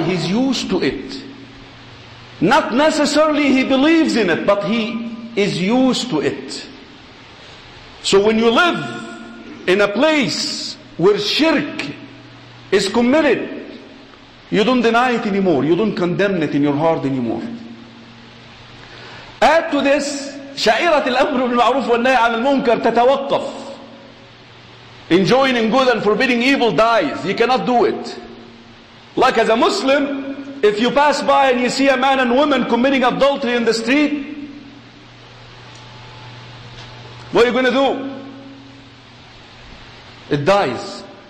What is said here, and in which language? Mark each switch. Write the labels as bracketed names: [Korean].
[English] He's used to it. Not necessarily he believes in it, but he is used to it. So when you live in a place where shirk is committed, you don't deny it anymore. You don't condemn it in your heart anymore. Add to this, [Arabic] شائرة الأمر بالمعروف والنهي عن المنكر تتوقف. [English] Enjoining good and forbidding evil dies. You cannot do it. Like as a Muslim, if you pass by and you see a man and woman committing adultery in the street, what are you going to do? It dies.